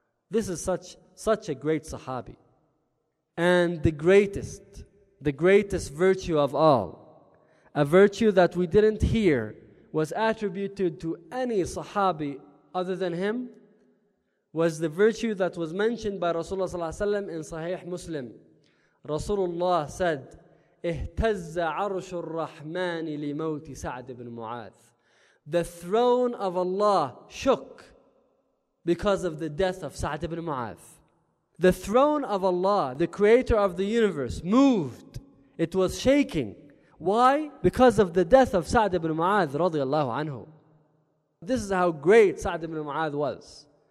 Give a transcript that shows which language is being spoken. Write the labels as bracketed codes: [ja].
[en] This is such a great Sahabi. And the greatest virtue of all, a virtue that we didn't hear was attributed to any Sahabi other than him, was the virtue that was mentioned by Rasulullah sallallahu alaihi wasallam in Sahih Muslim. Rasulullah said, [ar] اِهْتَزَّ عَرْشُ الرَّحْمَانِ لِمَوْتِ سَعْدِ بْنِ مُعَاذِ. [en] The throne of Allah shook because of the death of Sa'd ibn Mu'adh. The throne of Allah, the creator of the universe, moved. It was shaking. Why? Because of the death of Sa'd ibn Mu'adh radiallahu anhu. This is how great Sa'd ibn Mu'adh was.